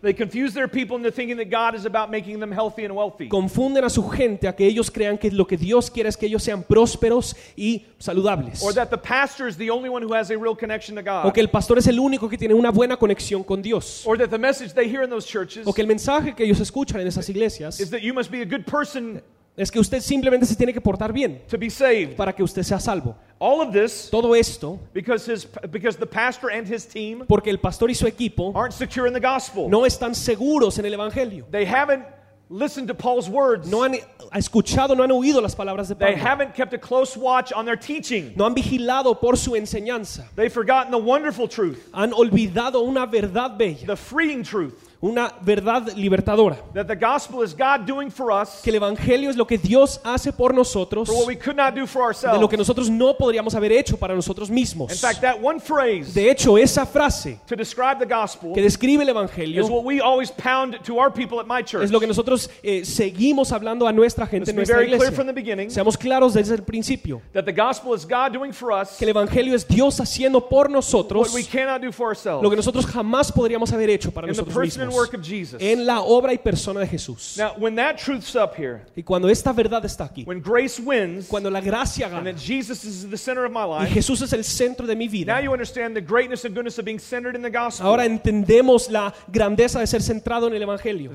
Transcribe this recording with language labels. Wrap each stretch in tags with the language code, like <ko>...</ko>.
<en>They confuse their people into thinking that God is about making them healthy and wealthy.</en> <es>Confunden a su gente a que ellos crean que lo que Dios quiere es que ellos sean prósperos y saludables.</es> <en>Or that the pastor is the only one who has a real connection to God.</en> <es>O que el pastor es el único que tiene una buena conexión con Dios.</es> <en>Or that the message they hear in those churches.</en> <es>O que el mensaje que ellos escuchan en esas iglesias.</es> <en>Is that you must be a good person.</en> <es>Es que usted simplemente se tiene que portar bien</es> <en>to be saved.</en> <es>Para que usted sea salvo.</es> <en>All of this,</en> <es>todo esto</es> <en>because the pastor and his team,</en> <es>porque el pastor y su equipo</es> <en>aren't secure in the gospel.</en> <es>No están seguros en el evangelio.</es> <en>They haven't listened to Paul's words.</en> <es>No han escuchado, no han oído las palabras de Pablo.</es> <en>They haven't kept a close watch on their teaching.</en> <es>No han vigilado por su enseñanza.</es> <en>They've forgotten the wonderful truth.</en> <es>Han olvidado una verdad bella.</es> <en>The freeing truth.</en> <es>Una verdad libertadora.</es> <en>That the gospel is God doing for us,</en> <es>que el evangelio es lo que Dios hace por nosotros,</es> <en>for what we could not do for ourselves.</en> <es>De lo que nosotros no podríamos haber hecho para nosotros mismos.</es> <en>In fact, that one phrase,</en> <es>de hecho, esa frase,</es> <en>to describe the gospel,</en> <es>que describe el evangelio,</es> <en>is what we always pound to our people at my church.</en> <es>Es lo que nosotros seguimos hablando a nuestra gente en nuestra iglesia.</es> <en>Let's be very clear from the beginning,</en> <es>seamos claros desde el principio,</es> <en>that the gospel is God doing for us,</en> <es>que el evangelio es Dios haciendo por nosotros,</es> <en>what we cannot do for ourselves.</en> <es>Lo que nosotros jamás podríamos haber hecho para nosotros mismos.</es> <en>Work of Jesus.</en> <es>En la obra y persona de Jesús.</es> <en>Now, when that truth's up here,</en> <es>y cuando esta verdad está aquí,</es> <en>when grace wins,</en> <es>cuando la gracia gana,</es> <en>and that Jesus is the center of my life,</en> <es>y Jesús es el centro de mi vida.</es> <en>Now you understand the greatness and goodness of being centered in the gospel.</en> <es>Ahora entendemos la grandeza de ser centrado en el evangelio.</es>